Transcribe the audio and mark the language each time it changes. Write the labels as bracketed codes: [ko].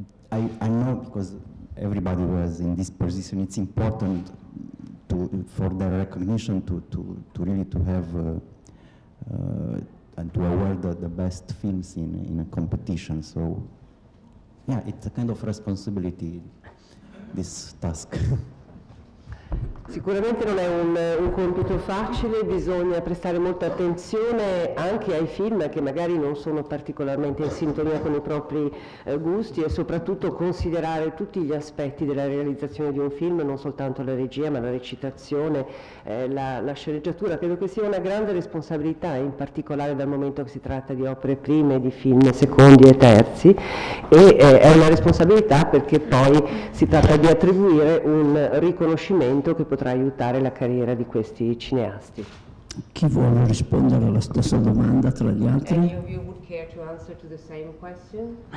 [en] I know, because everybody was in this position, it's important for their recognition to really to have and to award the best films in a competition. So. Yeah, it's a kind of responsibility, this task. [it] Sicuramente non è un compito facile, bisogna prestare molta attenzione anche ai film che magari non sono particolarmente in sintonia con i propri gusti, e soprattutto considerare tutti gli aspetti della realizzazione di un film, non soltanto la regia, ma la recitazione, la sceneggiatura. Credo che sia una grande responsabilità, in particolare dal momento che si tratta di opere prime, di film secondi e terzi, e è una responsabilità perché poi si tratta di attribuire un riconoscimento che potrà aiutare la carriera di questi cineasti. Chi vuole rispondere alla stessa domanda tra gli altri? [en] Any of you would care to answer to the same question?